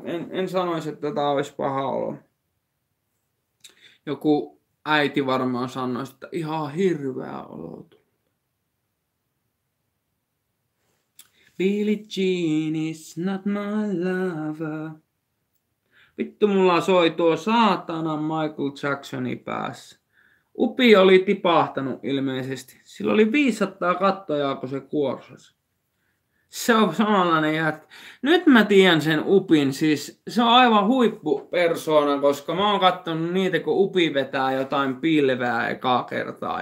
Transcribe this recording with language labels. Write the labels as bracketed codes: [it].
[fi] En sanois, että tää olisi paha olo. Joku äiti varmaan sanois, että ihan hirveä olo tulla. [en] Billie Jean is not my lover. [fi] Vittu, mulla soi tuo saatana Michael Jacksoni päässä. Upi oli tipahtanut ilmeisesti. Sillä oli 500 kattojaa, kun se kuorsasi. Se on samanlainen jätkä. Nyt mä tiedän sen Upin. Siis se on aivan huippupersoona, koska mä oon kattonut niitä, kun Upi vetää jotain pilveä ekaa kertaa.